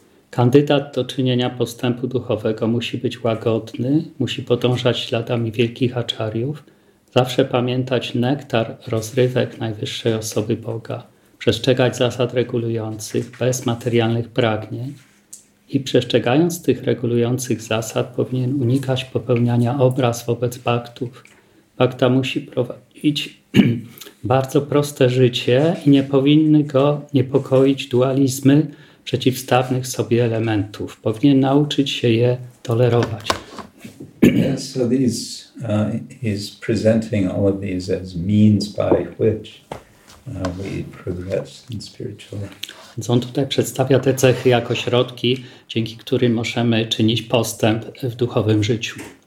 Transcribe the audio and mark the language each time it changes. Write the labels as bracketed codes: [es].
[pl] Kandydat do czynienia postępu duchowego musi być łagodny, musi podążać śladami wielkich aczariów, zawsze pamiętać nektar rozrywek najwyższej osoby Boga, przestrzegać zasad regulujących bez materialnych pragnień i przestrzegając tych regulujących zasad powinien unikać popełniania obraz wobec baktów. Bakta musi prowadzić bardzo proste życie i nie powinny go niepokoić dualizmy przeciwstawnych sobie elementów. Powinien nauczyć się je tolerować. [en] Yeah, so these, he's presenting all of these as means by which we progress in spiritual life. [pl] Więc on tutaj przedstawia te cechy jako środki, dzięki którym możemy czynić postęp w duchowym życiu.